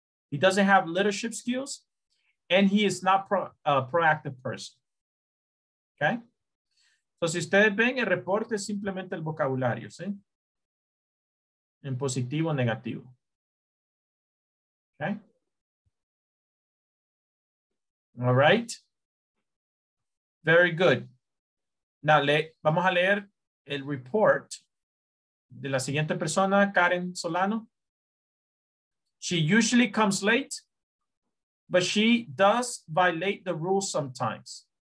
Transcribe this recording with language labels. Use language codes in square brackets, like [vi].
[en] He doesn't have leadership skills and he is not a proactive person. Okay. [es] So, si ustedes ven, el reporte es simplemente el vocabulario, ¿sí? En positivo o negativo. Okay. [en] All right. Very good. [es] Now, vamos a leer el report de la siguiente persona, Karen Solano. [en] She usually comes late, but she does violate the rules sometimes.